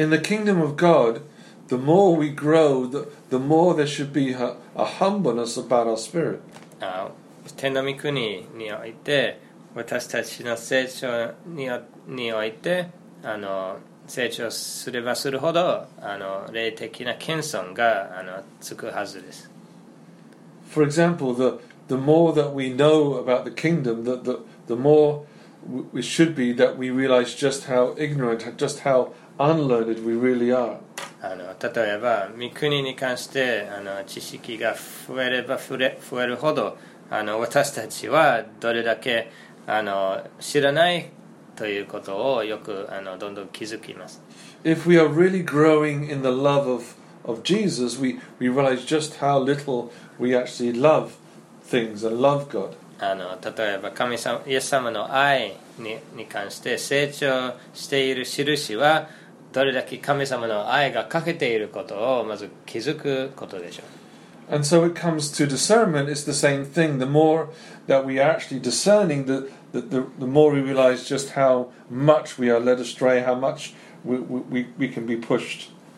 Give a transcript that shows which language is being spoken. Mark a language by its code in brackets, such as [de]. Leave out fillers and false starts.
[en] In the kingdom of God, the more we grow, the more there should be a humbleness about our spirit. [ja] 天の御国において、私たちの成長において、成長すればするほど、霊的な謙遜がつくはずです。 [en] For example, the more that we know about the kingdom, the more we should be that we realize just how ignorant, just how unlearned we really are. [ja] 例えば、御国に関して知識が増えれば増えるほど、私たちはどれだけ知らないということをよくどんどん気づきます。 [en] If we are really growing in the love of Jesus, we realize just how little we actually love things and love God. [ja] 例えば神様、イエス様の愛 に関して成長している印は、どれだけ神様の愛が欠けていることをまず気づくことでしょう。 [en] And so it comes to discernment, it's the same thing. The more that we are actually discerning, the more we realize just how much we are led astray, how much we can be pushed.